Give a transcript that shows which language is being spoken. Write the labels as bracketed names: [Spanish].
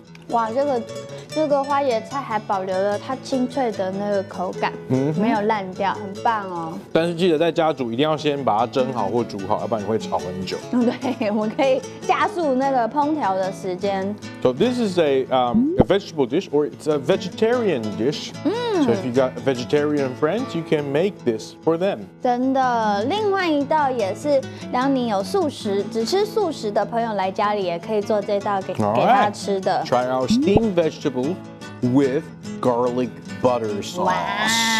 [Chinese] 哇，这个花椰菜还保留了它清脆的那个口感，没有烂掉，很棒哦。但是记得在家煮，一定要先把它蒸好或煮好，要不然你会炒很久。对，我们可以加速那个烹调的时间。 [English] So this is a vegetable dish, or it's a vegetarian dish. So if you got vegetarian friends, you can make this for them. [Chinese] 真的，另外一道也是，当你有素食，只吃素食的朋友来家里，也可以做这道给他吃的。 [English] Try our steamed vegetable with garlic butter sauce.